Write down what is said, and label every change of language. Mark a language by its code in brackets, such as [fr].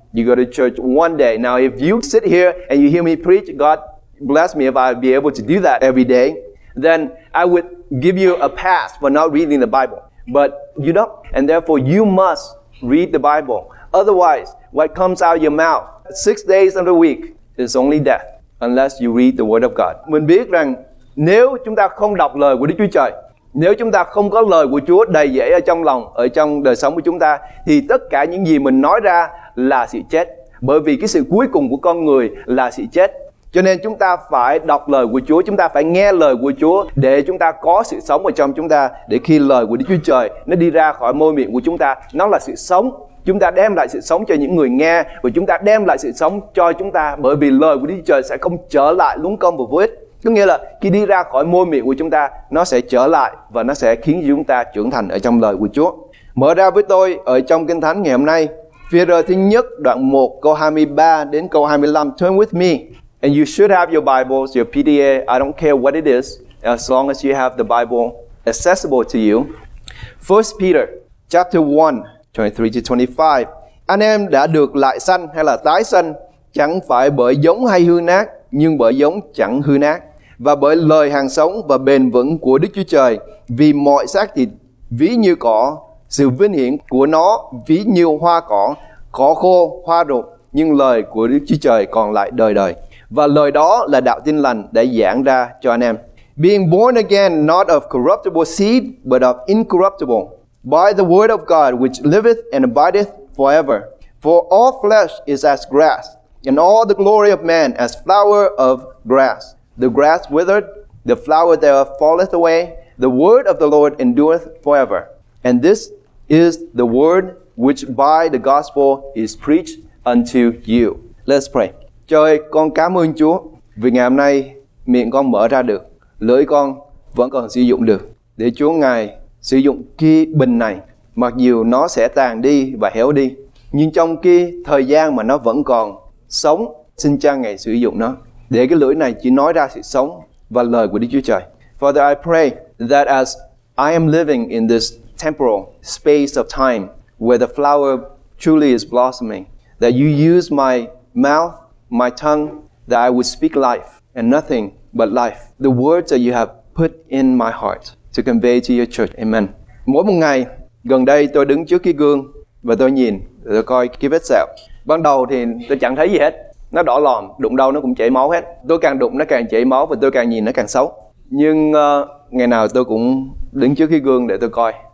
[en] You go to church one day. Now, if you sit here and you hear me preach, God bless me if I'd be able to do that every day, then I would give you a pass for not reading the Bible. But you don't. And therefore, you must read the Bible. Otherwise, what comes out of your mouth 6 days of the week is only death, unless you read the Word of God. [vi] Mình biết rằng nếu chúng ta không đọc lời của Đức Chúa Trời, nếu chúng ta không có lời của Chúa đầy dẫy ở trong lòng, ở trong đời sống của chúng ta, thì tất cả những gì mình nói ra là sự chết. Bởi vì cái sự cuối cùng của con người là sự chết. Cho nên chúng ta phải đọc lời của Chúa, chúng ta phải nghe lời của Chúa để chúng ta có sự sống ở trong chúng ta, để khi lời của Đức Chúa Trời nó đi ra khỏi môi miệng của chúng ta, nó là sự sống. Chúng ta đem lại sự sống cho những người nghe, và chúng ta đem lại sự sống cho chúng ta, bởi vì lời của Đức Chúa Trời sẽ không trở lại luống công và vô ích. Có nghĩa là khi đi ra khỏi môi miệng của chúng ta, nó sẽ trở lại và nó sẽ khiến chúng ta trưởng thành ở trong lời của Chúa. Mở ra với tôi ở trong Kinh Thánh ngày hôm nay, Phi-e-rơ thứ nhất đoạn 1 câu 23 đến câu 25. [en] Turn with me. And you should have your Bibles, your PDA, I don't care what it is, as long as you have the Bible accessible to you. 1 Peter chapter 1, 23-25. [vi] Anh em đã được lại sanh hay là tái sanh, chẳng phải bởi giống hay hư-nát, nhưng bởi giống chẳng hư-nát, và bởi lời hằng sống và bền vững của Đức Chúa Trời. Vì mọi xác thịt ví như cỏ, sự vinh hiển của nó ví như hoa cỏ, cỏ khô, hoa rụng, nhưng lời của Đức Chúa Trời còn lại đời đời. Và lời đó là đạo tin lành đã giảng ra cho anh em. [en] Being born again, not of corruptible seed, but of incorruptible, by the word of God, which liveth and abideth forever. For all flesh is as grass, and all the glory of man as flower of grass. The grass withered, the flower thereof falleth away, the word of the Lord endureth forever. And this is the word which by the gospel is preached unto you. Let's pray. [vi] Trời, con cảm ơn Chúa vì ngày hôm nay miệng con mở ra được, lưỡi con vẫn còn sử dụng được. Để Chúa Ngài sử dụng cái bình này, mặc dù nó sẽ tàn đi và héo đi, nhưng trong cái thời gian mà nó vẫn còn sống, xin cha Ngài sử dụng nó. Để cái lưỡi này chỉ nói ra sự sống và lời của Đức Chúa Trời. [en] Father, I pray that as I am living in this temporal space of time where the flower truly is blossoming, that you use my mouth, my tongue, that I would speak life and nothing but life. The words that you have put in my heart to convey to your church. Amen. [vi] Mỗi một ngày, gần đây tôi đứng trước cái gương và tôi nhìn, tôi coi cái vết sẹo. Ban đầu thì tôi chẳng thấy gì hết. Nó đỏ lòm, đụng đâu nó cũng chảy máu hết. Tôi càng đụng nó càng chảy máu và tôi càng nhìn nó càng xấu. Nhưng ngày nào tôi cũng đứng trước cái gương để tôi coi.